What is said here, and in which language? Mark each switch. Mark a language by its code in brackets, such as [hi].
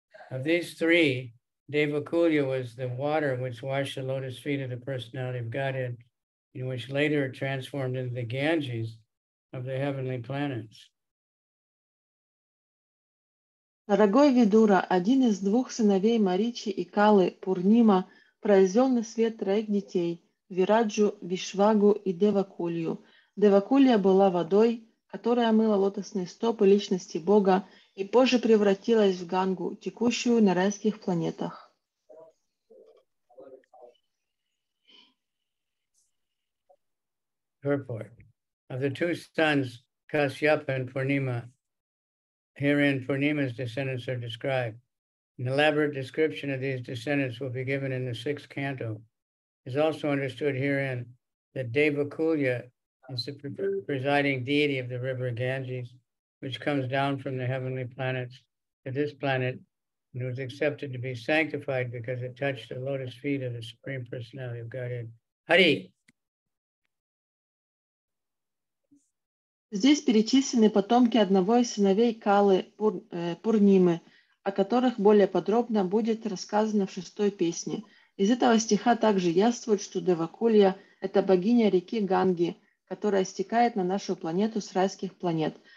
[en] Of these three, Devakulya was the water which washed the lotus feet of the personality of Godhead, and which later transformed into the Ganges of the heavenly planets. [ru] Дорогой Видура, один из двух сыновей Маричи и Калы, Пурнима, произвел на свет троих детей – Вираджу, Вишвагу и Девакулью. Девакулья была водой, которая омыла лотосные стопы личности Бога и позже превратилась в Гангу, текущую на райских планетах. [en] Report. Of the two sons, Kasyapa and Purnima, herein Purnima's descendants are described. An elaborate description of these descendants will be given in the sixth canto. It is also understood herein that Devakulya as the presiding deity of the river Ganges, which comes down from the heavenly planets to this planet, and was accepted to be sanctified because it touched the lotus feet of the Supreme Personality of Godhead. Hari. [ru] Здесь перечислены потомки одного из сыновей Калы Пурнимы, о которых более подробно будет рассказано в шестой песне. Из этого стиха также явствует, что Девакулья — это богиня реки Ганги, которая стекает на нашу планету с райских планет.